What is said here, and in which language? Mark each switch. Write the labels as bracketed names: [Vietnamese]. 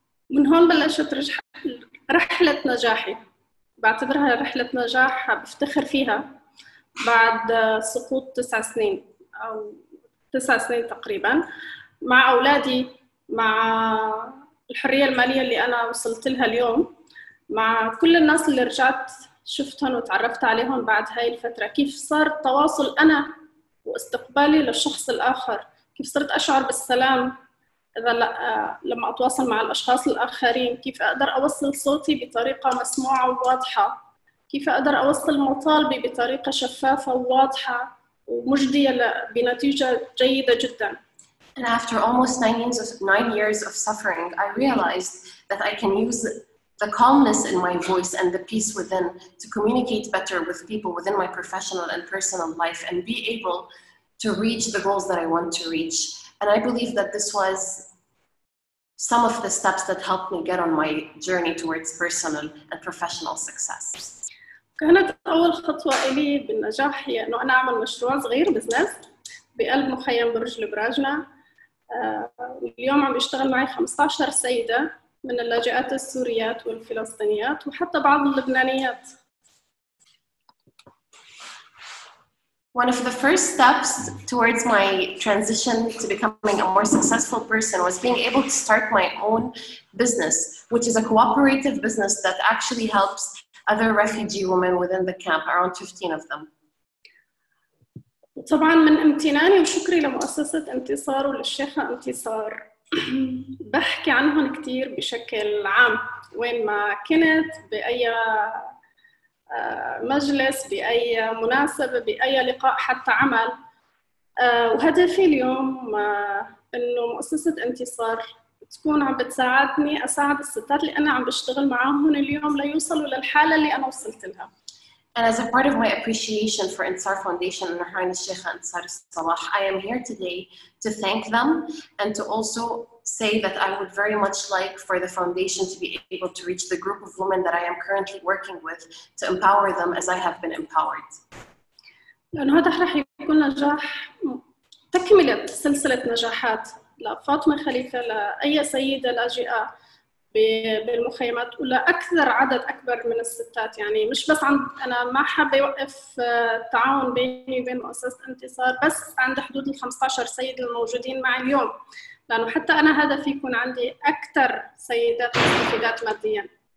[Arabic] من هون بلشت رحلة نجاحي. بعتبرها رحلة نجاح بفتخر فيها بعد سقوط 9 سنين أو 9 سنين تقريبا مع أولادي, مع الحرية المالية اللي أنا وصلت لها اليوم. مع كل الناس اللي رجعت شفتهم وتعرفت عليهم بعد هاي الفترة, كيف صار التواصل أنا واستقبالي للشخص الآخر, كيف صرت أشعر بالسلام إذا لما أتواصل مع الأشخاص الآخرين, كيف أقدر أوصل صوتي بطريقة مسموعة وواضحة, كيف أقدر أوصل مطالبي بطريقة شفافة وواضحة ومجدية بنتيجة جيدة جداً. [English] And after almost 9 years of suffering, I realized that I can use the calmness in my voice and the peace within to communicate better with people within my professional and personal life and be able to reach the goals that I want to reach. And I believe that this was some of the steps that helped me get on my journey towards personal and professional success. [Arabic] كانت أول خطوة إلي بالنجاح هي أنه أنا أعمل مشروع صغير بزنس بقلب مخيم برج البراجنة. اليوم عم يشتغل معي 15 سيدة من اللاجئات السوريات والفلسطينيات وحتى بعض اللبنانيات. [English] One of the first steps towards my transition to becoming a more successful person was being able to start my own business, which is a cooperative business that actually helps other refugee women within the camp, around 15 of them. [Arabic] طبعا من امتناني وشكري لمؤسسة انتصار وللشيخة انتصار. بحكي عنهم كثير بشكل عام وين ما كنت بأي مجلس بأي مناسبة بأي لقاء حتى عمل. وهدفي اليوم إنه مؤسسة انتصار تكون عم بتساعدني أساعد الستات اللي أنا عم بشتغل معاهم هون اليوم ليوصلوا للحالة اللي أنا وصلت لها. [English] And as a part of my appreciation for Intisar Foundation and Her Highness Sheikha Intisar AlSabah, I am here today to thank them and to also say that I would very much like for the foundation to be able to reach the group of women that I am currently working with to empower them as I have been empowered. [Arabic] لأن هذا رح يكون نجاح تكملة سلسلة نجاحات لفاطمة خليفة لأي سيدة لاجئة بالمخيمات ولا أكثر عدد أكبر من الستات يعني مش بس عند أنا ما حابة يوقف التعاون بيني وبين مؤسسة انتصار بس عند حدود 15 سيد الموجودين معي اليوم لأنه حتى أنا هدفي يكون عندي أكثر سيدات مستفيدات مادياً.